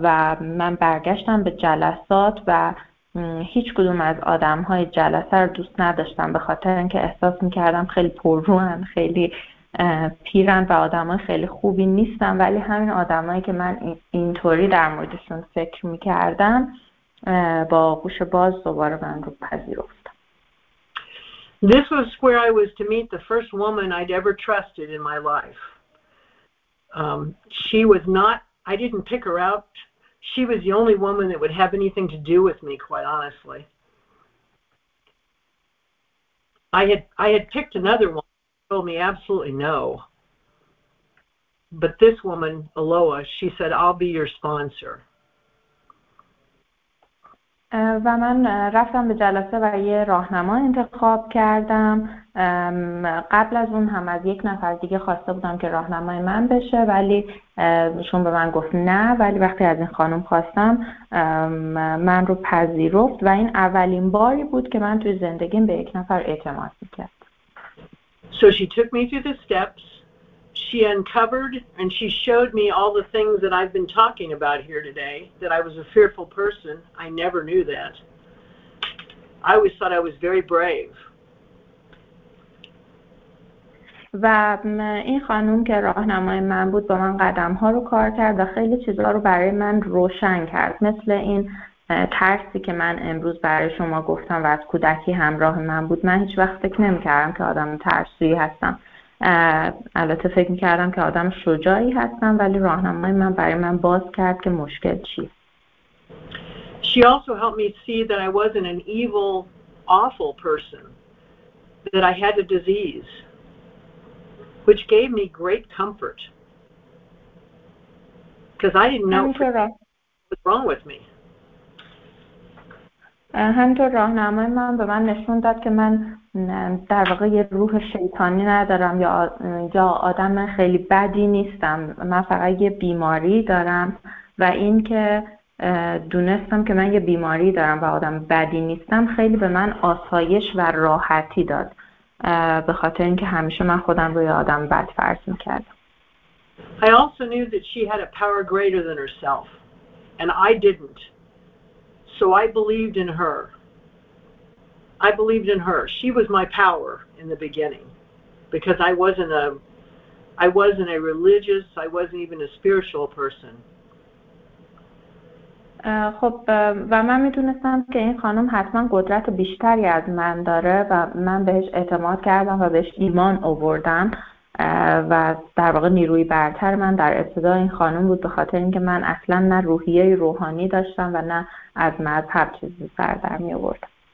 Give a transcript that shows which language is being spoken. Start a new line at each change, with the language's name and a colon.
Persian: و من برگشتم به جلسات و هیچ کدوم از آدم های جلسه رو دوست نداشتم، به خاطر اینکه احساس میکردم خیلی پررون، خیلی پیرن و آدم های خیلی خوبی نیستن، ولی همین آدم هایی که من اینطوری در موردشون فکر میکردم با آغوش باز دوباره من رو پذیرفتم.
English: This was where I was to meet the first woman I'd ever trusted in my life. I didn't pick her out. She was the only woman that would have anything to do with me, quite honestly. I had picked another one who told me absolutely no. But this woman, Aloha, she said, I'll be your sponsor.
Persian: و من رفتم به جلسه و یه راهنما انتخاب کردم. قبل از اون هم از یک نفر دیگه خواسته بودم که راهنمای من بشه، ولی ایشون به من گفت نه. ولی وقتی از این خانم خواستم من رو پذیرفت و این اولین باری بود که من توی زندگیم به یک نفر اعتماد میکرد.
English: So she took me through the steps, she uncovered and she showed me all the things that I've been talking about here today, that I was a fearful person. I never knew that. I always thought I was very brave.
Persian: و این خانم که راهنمای من بود با من قدم ها رو کار کرد و خیلی چیزها رو برای من روشن کرد، مثل این ترسی که من امروز برای شما گفتم و از کودکی همراه من بود. من هیچ وقت فکر نمی کردم که آدم ترسویی هستم، البته فکر می کردم که آدم شجاعی هستم، ولی راهنمای من برای من باز کرد که مشکل چیه.
English: She also helped me see that I wasn't an evil, awful person, that I had a disease, which gave me great comfort, because I didn't know what was wrong with me.
Persian: همینطور راهنمای من به من نشون داد که من در واقع یه روح شیطانی ندارم یا آدم خیلی بدی نیستم. من فقط یه بیماری دارم و این که دونستم که من یه بیماری دارم و آدم بدی نیستم خیلی به من آسایش و راحتی داد، به خاطر اینکه همیشه من خودم روی آدم بد فرض میکردم.
English: I also knew that she had a power greater than herself and I didn't. So I believed in her. I believed in her. She was my power in the beginning because I wasn't a religious, I wasn't even a spiritual person.
Persian: خب و من میدونستم که این خانم حتما قدرت بیشتری از من داره و من بهش اعتماد کردم و بهش ایمان آوردم و در واقع نیروی برتر من در ابتدا این خانم بود، به خاطر اینکه من اصلا نه روحیه روحانی داشتم و نه از مذهب چیزی سر در می آوردم.